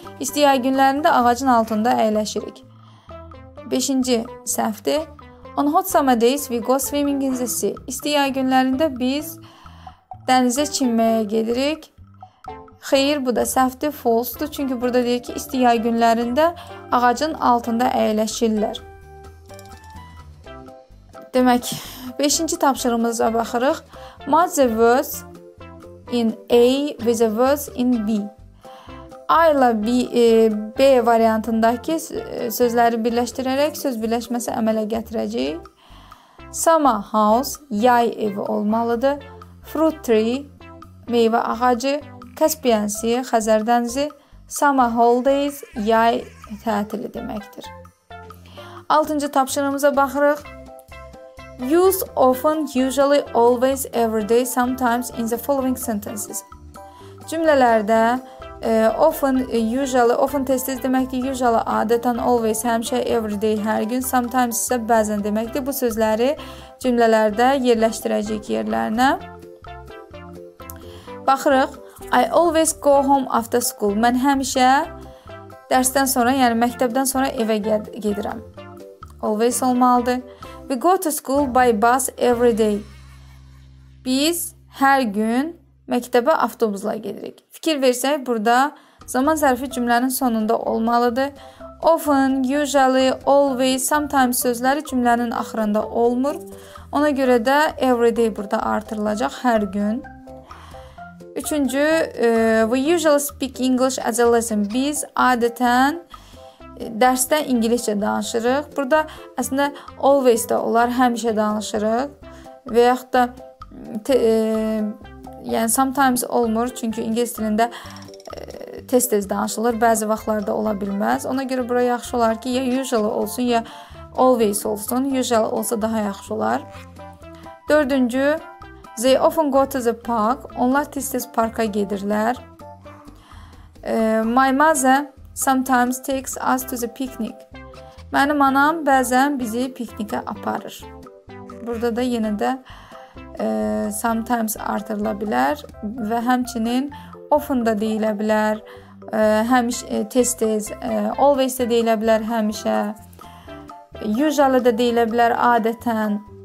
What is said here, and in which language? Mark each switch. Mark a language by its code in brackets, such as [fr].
[az] İsti yay günlərində ağacın altında əyləşirik. Beşinci səhvdir. [en] On hot summer days, we go swimming in the sea. [az] İsti yay günlərində biz dənizə çimməyə gedirik. Xeyr, bu da səhvdir, false-dur. Çünki burada deyir ki, isti yay günlərində ağacın altında əyləşirlər. Demək, beşinci tapşırımıza baxırıq. [en] Match the words in A with the words in B. [az] A ilə B variantındakı sözləri birləşdirərək söz birləşməsi əmələ gətirəcək. Summer house, yay evi olmalıdır. Fruit tree, meyvə ağacı. Caspian Sea, Xəzər dənizi. Summer holidays, yay tətili deməkdir. Altıncı tapşırımıza baxırıq. [en] Use often, usually, always, everyday, sometimes in the following sentences. [az] Cümlələrdə often, usually, often tez-tez deməkdir, usually, adətən, always, həmişə, everyday, hər gün, sometimes isə bəzən deməkdir. Bu sözləri cümlələrdə yerləşdirəcək yerlərinə. Baxırıq. [en] I always go home after school. [az] Mən həmişə dərsdən sonra, yəni məktəbdən sonra evə gedirəm. Always olmalıdır. [en] We go to school by bus every day. [az] Biz hər gün məktəbə avtobusla gedirik. Fikir versək, burada zaman zərfi cümlənin sonunda olmalıdır. Often, usually, always, sometimes sözləri cümlənin axırında olmur. Ona görə də every day burada artırılacaq, hər gün. [en] Üçüncü, we usually speak English as a lesson. [az] Biz adətən dərsdə ingiliscə danışırıq. Burada əslində always də olar, həmişə danışırıq. Və yaxud da yəni sometimes olmur, çünki ingilis dilində tez-tez danışılır, bəzi vaxtlarda ola bilməz. Ona görə bura yaxşı olar ki, ya usually olsun, ya always olsun. Usually olsa daha yaxşı olar. [en] Dördüncü, they often go to the park. [az] Onlar tez-tez parka gedirlər. [en] My mother sometimes takes us to the picnic. [az] Mənim anam bəzən bizi pikniqə aparır. Burada da yenə də sometimes artırıla bilər və həmçinin often da deyilə bilər, həmişə, tez-tez, always də deyilə bilər, həmişə, usually də deyilə bilər, adətən.